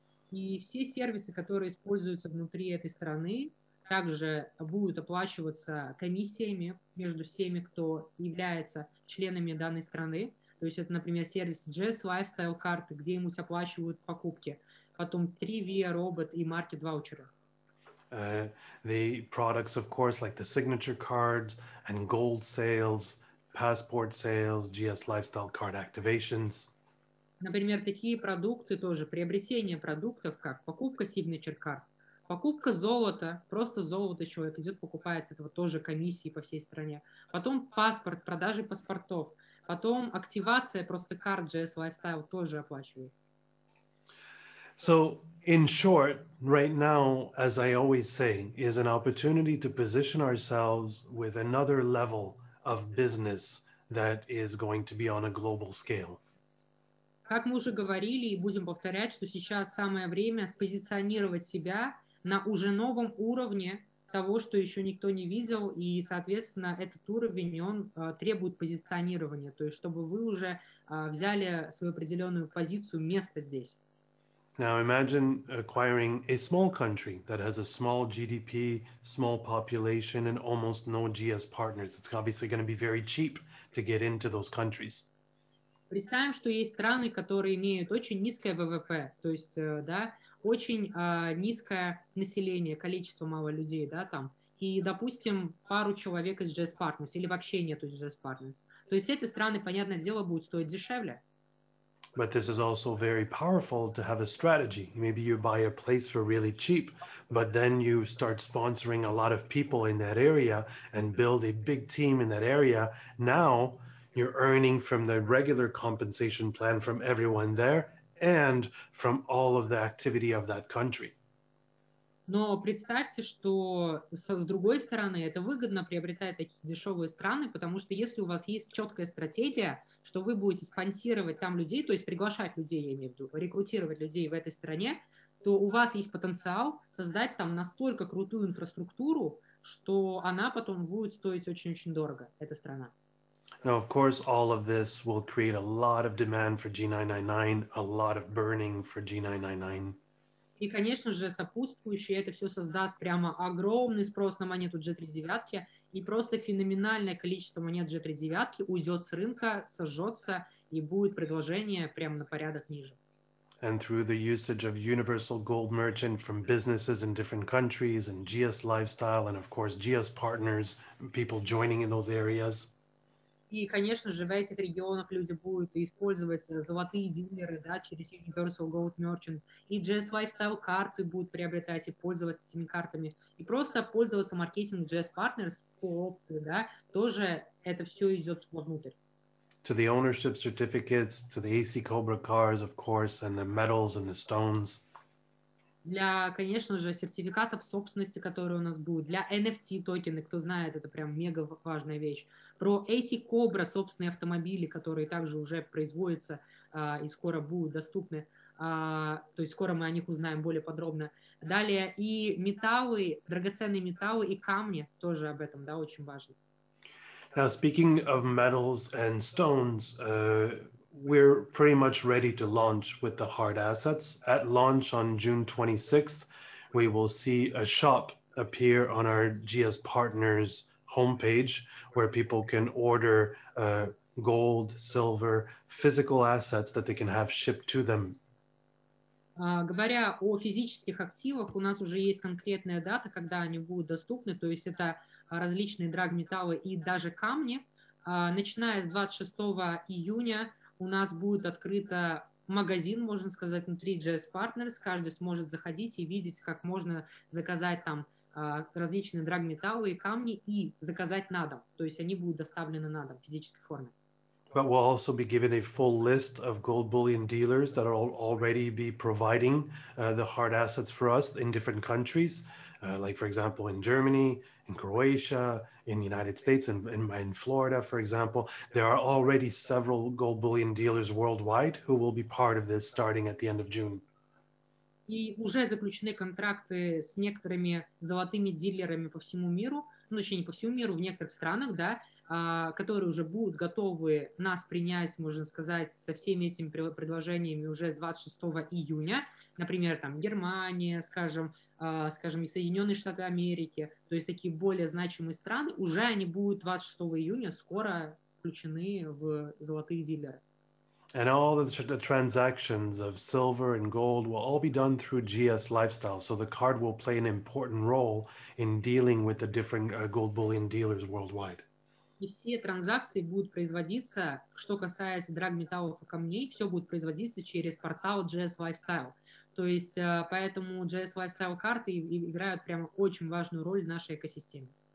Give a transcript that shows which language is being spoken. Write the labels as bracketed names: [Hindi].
[Russian] И все сервисы, которые используются внутри этой страны, также будут оплачиваться комиссиями между всеми, кто является членами данной страны. То есть это, например, сервис GS Lifestyle карты, где ему оплачивают покупки. Потом Trivia Robot и Market Voucher. [English] The products, of course, like the signature card and gold sales, passport sales, GS Lifestyle card activations. [Russian] Например, такие продукты тоже, приобретение продуктов, как покупка signature card, покупка золота, просто золото человек идет, покупает с этого тоже комиссии по всей стране. Потом паспорт, продажи паспортов. Потом активация просто карт GS Lifestyle тоже оплачивается. [English] So, in short, right now, as I always say, is an opportunity to position ourselves with another level of business that is going to be on a global scale. [Russian] Как мы уже говорили и будем повторять, что сейчас самое время спозиционировать себя на уже новом уровне того, что еще никто не видел, и, соответственно, этот уровень, он требует позиционирования, то есть чтобы вы уже взяли свою определенную позицию, место здесь. [English] Now imagine acquiring a small country that has a small GDP, small population, and almost no GS partners. It's obviously going to be very cheap to get into those countries. [Russian] Представим, что есть страны, которые имеют очень низкое ВВП, то есть, да, очень низкое население, количество мало людей, да, там, и, допустим, пару человек из GS Partners, или вообще нету GS Partners. То есть эти страны, понятное дело, будут стоить дешевле. [English] But this is also very powerful to have a strategy. Maybe you buy a place for really cheap, but then you start sponsoring a lot of people in that area and build a big team in that area. Now you're earning from the regular compensation plan from everyone there and from all of the activity of that country. [Russian] Но представьте, что с другой стороны, это выгодно приобретать такие дешевые страны, потому что если у вас есть четкая стратегия, что вы будете спонсировать там людей, то есть приглашать людей, я имею в виду, рекрутировать людей в этой стране, то у вас есть потенциал создать там настолько крутую инфраструктуру, что она потом будет стоить очень-очень дорого, эта страна. [English] Now, of course, all of this will create a lot of demand for G999, a lot of burning for G999. [Russian] И, конечно же, сопутствующие это все создаст прямо огромный спрос на монету G39, и просто феноменальное количество монет G39 уйдет с рынка, сожжется, и будет предложение прямо на порядок ниже. [English] And through the usage of Universal Gold Merchant from businesses in different countries, and GS Lifestyle, and of course GS Partners, people joining in those areas. [Russian] И, конечно же, в этих регионах люди будут использовать золотые дилеры, да, через Universal Gold Merchant, и GS Lifestyle карты будут приобретать и пользоваться этими картами, и просто пользоваться маркетингом GS Partners по опции, да, тоже это все идет вовнутрь. [English] To the ownership certificates, to the AC Cobra cars, of course, and the medals and the stones. [Russian] для, конечно же, сертификатов собственности, которые у нас будут, для NFT-токены, кто знает, это прям мега важная вещь, про AC Cobra, собственные автомобили, которые также уже производятся и скоро будут доступны, то есть скоро мы о них узнаем более подробно. Далее, и металлы, драгоценные металлы и камни, тоже об этом, да, очень важно. [English] Now, speaking of metals and stones, we're pretty much ready to launch with the hard assets. At launch on June 26th, we will see a shop appear on our GS Partners homepage where people can order gold, silver, physical assets that they can have shipped to them. [Russian] Говоря о физических активах, у нас уже есть конкретная дата, когда они будут доступны, то есть это различные драгметаллы и даже камни. Начиная с 26 июня у нас будет открыт магазин, можно сказать, внутри GS Partners. Каждый сможет заходить и видеть, как можно заказать там различные драгметаллы и камни и заказать на дом. То есть они будут доставлены на дом в физической форме. [English] But we'll also be given a full list of gold bullion dealers that are already be providing the hard assets for us in different countries, like, for example, in Germany, in Croatia, in the United States, and in Florida, for example. There are already several gold bullion dealers worldwide who will be part of this starting at the end of June. [Russian] И уже заключены контракты с некоторыми золотыми дилерами по всему миру, ну, точнее, не по всему миру, в некоторых странах, да, которые уже будут готовы нас принять, можно сказать, со всеми этими предложениями уже 26 июня, например, там Германия, скажем, Соединенные Штаты Америки, то есть такие более значимые страны, уже они будут 26 июня скоро включены в золотые дилеры. [English] And all of the transactions of silver and gold will all be done through GS Lifestyle, so the card will play an important role in dealing with the different gold bullion dealers worldwide. [Russian] И все транзакции будут производиться, что касается драгметаллов и камней, все будет производиться через портал GS Lifestyle. То есть, поэтому GS Lifestyle карты играют прямо очень важную роль в нашей экосистеме.